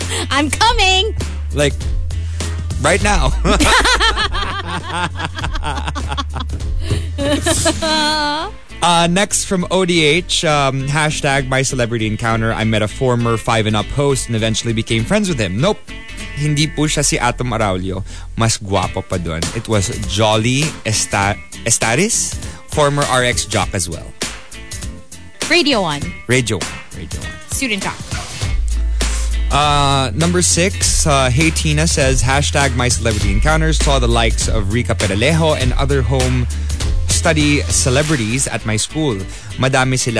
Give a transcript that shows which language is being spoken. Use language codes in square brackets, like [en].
[en] I'm coming. Like, right now. next from ODH, hashtag my celebrity encounter. I met a former 5-and-up host and eventually became friends with him. Nope. [tl] Hindi po siya si Atom Araulio. Mas guwapo pa dun. [en] It was Jolly Estaris, former RX jock as well. Radio 1. Radio 1. Radio 1. Student talk. Number 6, Hey Tina says, hashtag my celebrity encounters. Saw the likes of Rica Peralejo and other home study celebrities at my school. [tl] Madami sila.